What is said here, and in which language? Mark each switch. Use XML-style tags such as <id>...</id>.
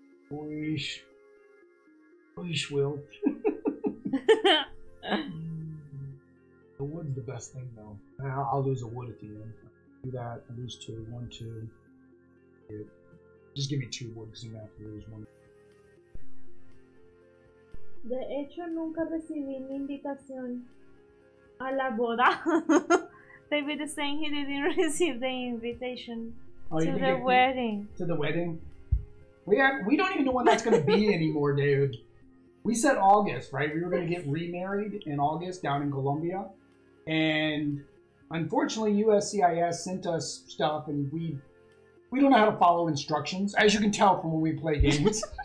<en>Boish. Boish, Will. The wood's the best thing, though. I'll lose a wood at the end. Do that. I lose 2. 1, 2. Eight. Just give me 2 wood because I'm going to have to lose 1.</en> <es>De hecho, nunca recibí mi invitación a la boda.</es> <en>David is saying he didn't receive the invitation to the wedding. To the wedding? We don't even know when that's going to be anymore, dude. We said August, right? We were going to get remarried in August down in Colombia. And unfortunately, USCIS sent us stuff and we don't know how to follow instructions, as you can tell from when we play games.</en>